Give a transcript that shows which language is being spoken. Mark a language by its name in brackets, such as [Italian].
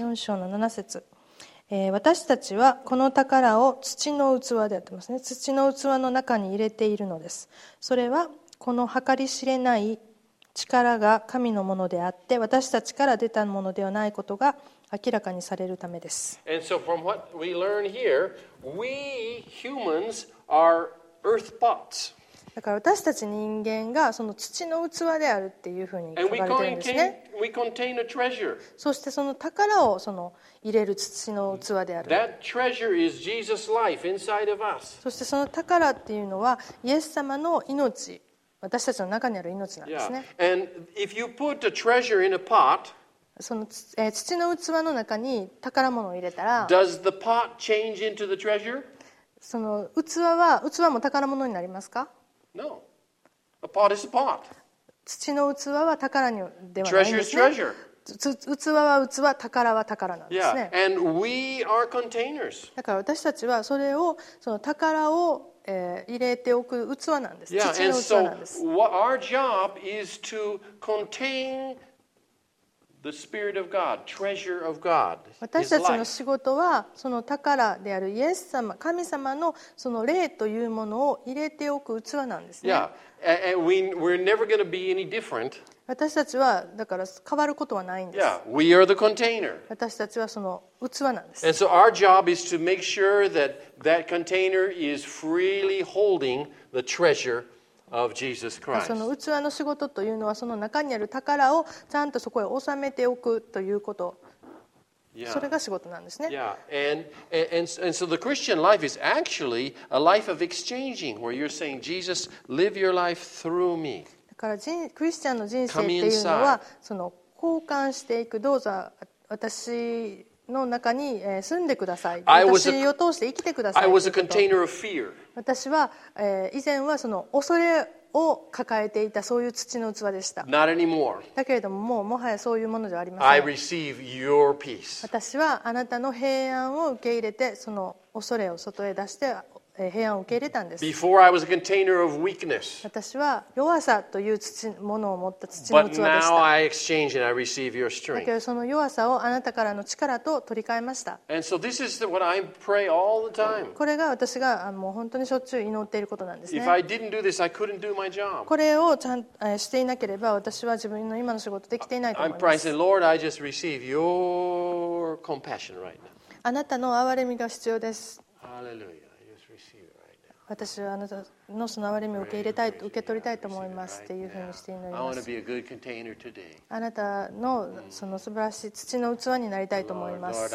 [Japanese] 4章の7節、私たちはこの宝を土の器でやってますね。土の器の中に入れているのです。それはこの計り知れない力が神のものであって私たちから出たものではないことが明らかにされるためです。 [English] And so from what we learn here, we humans are earth pots. [Japanese] だから私たち人間がその土の器であるっていうふうに書かれてるんですね。 [English] And we contain a treasure. [Japanese] そしてその宝をその入れる土の器である。 [English] That treasure is Jesus' life inside of us. [Japanese] そしてその宝っていうのはイエス様の命。私たちの中にある命なんですね。 [English] Yeah. And if you put a treasure in a pot, [Japanese] その、土の器の中に宝物を入れたら、 [English] does the pot change into the treasure? [Japanese] その器は、器も宝物になりますか? [English] No. A pot is a pot. [Japanese] 土の器は宝ではないんですね。 [English] Treasure is treasure. [Japanese] 器は器、宝は宝なんですね。 [English] Yeah. And we are containers. [Japanese] だから私たちはそれを、その宝を入れておく器なんです。 [English] Yeah, [Japanese] 土の器なんです。 [English] And so, what our job is to contain the Spirit of God, treasure of God. [Japanese] 私たちの仕事はその宝であるイエス様、神様のその霊というものを入れておく器なんですね。 [English] Yeah, and we're never going to be any different. [Japanese] 私たちはだから変わることはないんです。 [English] Yeah, we are the container. [Japanese] 私たちはその器なんです。 [English] And so our job is to make sure that that container is freely holding the treasure of Jesus Christ. [Japanese] その器の仕事というのはその中にある宝をちゃんとそこへ収めておくということ。 [English] Yeah. [Japanese] それが仕事なんですね。 [English] Yeah. And so the Christian life is actually a life of exchanging where you're saying, Jesus, live your life through me. [Japanese] だからクリスチャンの人生っていうのはその交換していく、どうぞ私の中に住んでください、私を通して生きてください。 [English] I was a container of fear. [Japanese] 私は、以前はその恐れを抱えていた、そういう土の器でした。 [English] Not anymore. [Japanese] だけれども、もうもはやそういうものではありません。 [English] I receive your peace. [Japanese] 私はあなたの平安を受け入れて、その恐れを外へ出して平安を受け入れたんです。 [English] Before I was a container of weakness. [Japanese] 私は弱さという土ものを持った土の器でした。 [English] But now I exchange and I receive your strength. [Japanese] だけどその弱さをあなたからの力と取り替えました。 [English] And so this is what I pray all the time. [Japanese] これが私がもう本当にしょっちゅう祈っていることなんですね。 [English] If I didn't do this, I couldn't do my job. [Japanese] これをちゃんとしていなければ私は自分の今の仕事できていないと思います。 [English] I'm praying, Lord, I just receive your compassion right now. [Japanese] あなたの憐れみが必要です。 [English] Hallelujah. [Japanese] 私はあなたのその憐れみを受け入れたい、受け取りたいと思いますっていうふうにして祈ります。あなたのその素晴らしい土の器になりたいと思います。